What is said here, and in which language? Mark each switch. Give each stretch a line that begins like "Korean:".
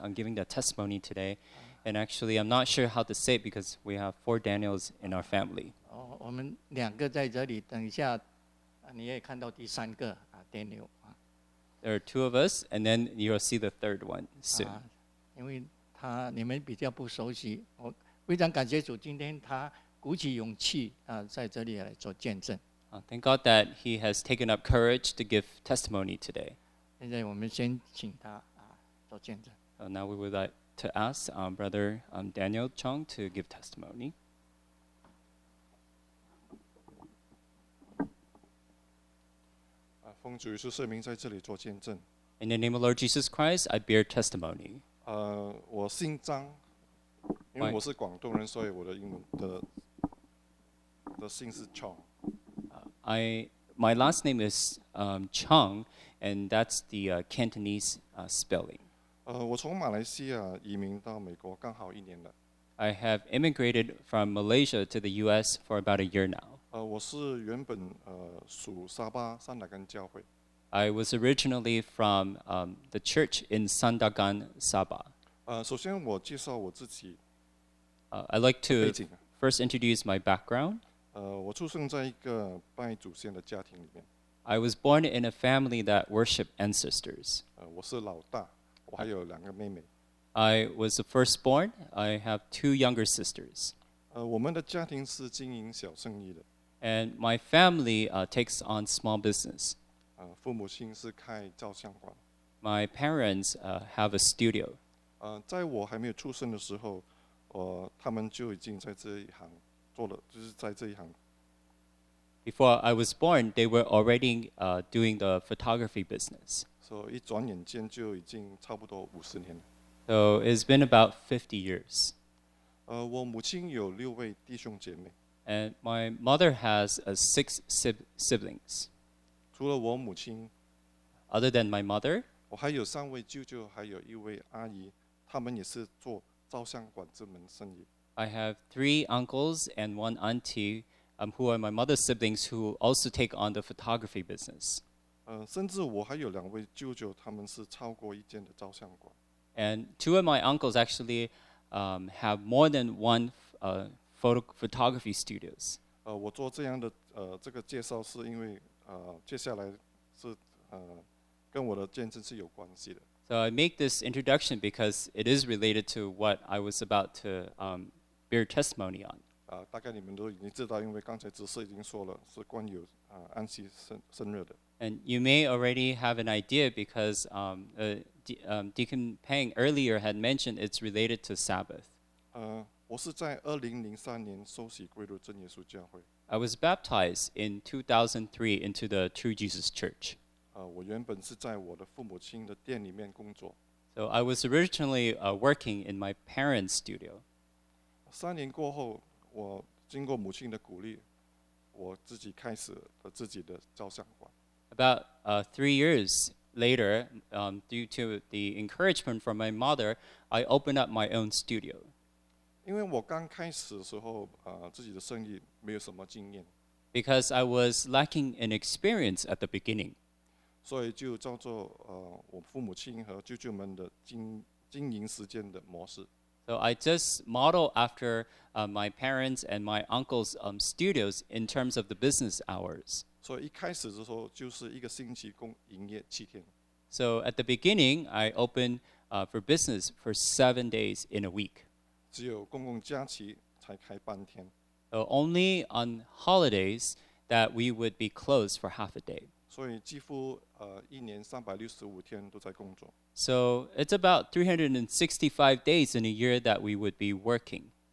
English: I'm giving the testimony today, and actually, I'm not sure how to say it because we have four Daniels in our family.
Chinese: 哦，我们两个在这里，等一下，你也看到第三个啊 ，Daniel。
English: There are two of us, and then you'll see the third one soon.
Chinese: 因为他你们比较不熟悉，我非常感谢主，今天他鼓起勇气啊，在这里来做见证。
English: Thank God that he has taken up courage to give testimony today.
Chinese: 现在我们先请他做见证。
English: So now we would like to ask Brother Daniel Chong to give testimony.
Chinese: 奉主耶稣圣名在这里做见证。
English: In the name of Lord Jesus Christ, I bear testimony.
Chinese: 我姓张，因为我是广东人，所以我的英文的姓是 Chong.
English: My last name is Chong, and that's the Cantonese spelling.
Chinese: 我从马来西亚移民到美国刚好一年了。
English: I have immigrated from Malaysia to the U.S. for about a year now.
Chinese: 我是原本属沙巴三大干教会。
English: I was originally from the church in Sandakan, Sabah.
Chinese: 首先我介绍我自己。
English: I'd like to first introduce my background.
Chinese: 我出生在一个拜祖先的家庭里面。
English: I was born in a family that worshiped ancestors.
Chinese: 我是老大，我还有两个妹妹。
English: I was the firstborn. I have two younger sisters.
Chinese: 我们的家庭是经营小生意的。
English: And my family takes on small business.
Chinese: 父母亲是开照相馆。
English: My parents have a studio.
Chinese: 在我还没有出生的时候，他们就已经在这一行做了，就是在这一行。
English: Before I was born, they were already doing the photography business.
Chinese: So 一转眼间就已经差不多五十年了。
English: So it's been about 50 years.
Chinese: 我母亲有六位弟兄姐妹。
English: And my mother has six siblings.
Chinese: 除了我母亲
English: ，other than my mother，
Chinese: 我还有三位舅舅，还有一位阿姨，他们也是做照相馆这门生意。
English: I have three uncles and one auntie, who are my mother's siblings, who also take on the photography business.
Chinese: 甚至我还有两位舅舅，他们是超过一间的照相馆。
English: And two of my uncles actually. Have more than one photography studios.
Chinese: 我做这样的这个介绍是因为接下来是跟我的见证是有关系的。
English: So I make this introduction because it is related to what I was about to bear testimony on.
Chinese: 大概你们都已经知道，因为刚才执事已经说了是关于安息圣日的。
English: And you may already have an idea because Deacon Pang earlier had mentioned it's related to Sabbath.
Chinese: 我是在2003年受洗归入真耶稣教会。
English: I was baptized in 2003 into the True Jesus Church.
Chinese: 我原本是在我的父母亲的店里面工作。
English: So I was originally working in my parents' studio.
Chinese: 三年过后，我经过母亲的鼓励，我自己开始了自己的照相馆。
English: About 3 years later, due to the encouragement from my mother, I opened up my own studio.
Chinese: 因为我刚开始的时候，自己的生意没有什么经验。
English: Because I was lacking in experience at the beginning.
Chinese: 所以就照着我父母亲和舅舅们的经营时间的模式。
English: So I just modeled after my parents and my uncle's studios in terms of the business hours.
Chinese: 所以一开始的时候就是一个星期共营业七天。
English: So at the beginning, I opened for business for 7 days in a week.
Chinese: 只有公共假期才开半天。
English: So only on holidays that we would be closed for half a day.
Chinese: 所以几乎一年365天都在工作。
English: So it's about 365 days in a year that we would be working.